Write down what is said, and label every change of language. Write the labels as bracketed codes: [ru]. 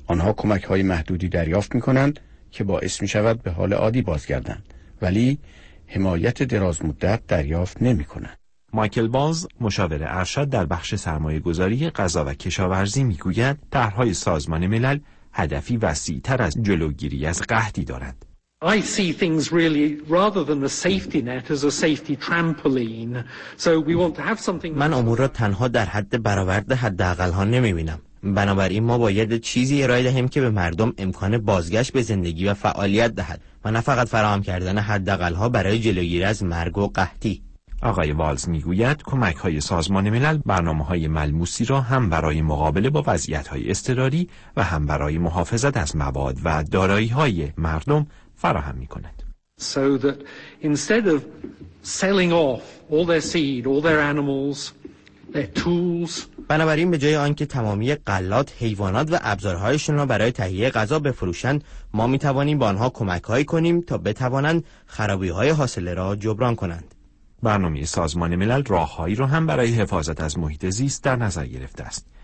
[fa] آنها کمک‌های محدودی دریافت می‌کنند که باعث می‌شود به حال عادی بازگردند، ولی حمایت دراز مدت دریافت نمی‌کنند. مایکل باز، مشاور ارشد در بخش سرمایه‌گذاری غذا و کشاورزی می‌گوید طرح‌های سازمان ملل هدفی وسیع‌تر از جلوگیری از قحطی دارند. [en] I see things really rather than the safety net as a safety trampoline. So we want to have something. [fa] من امور را تنها در حد برآورده حداقل‌ها نمی‌بینم. بنابراین ما باید چیزی ارائه دهیم که به مردم امکان بازگشت به زندگی و فعالیت دهد و نه فقط فراهم کردن حداقل‌ها برای جلوگیری از مرگ و قحطی. آقای والز می‌گوید کمک‌های سازمان ملل برنامه‌های ملموسی را هم برای مقابله با وضعیت‌های اضطراری و هم برای محافظت از مواد و دارایی‌های مردم فراهم می‌کند. [en] So that instead of selling off all their seed, all their animals, their tools. [fa] بنابراین به جای آنکه تمامی غلات، حیوانات و ابزارهایشان را برای تهیه غذا بفروشند، ما می‌توانیم با آنها کمک‌هایی کنیم تا بتوانند خرابی‌های حاصله را جبران کنند. برنامه سازمان ملل راه‌هایی را هم برای حفاظت از محیط زیست در نظر گرفته است.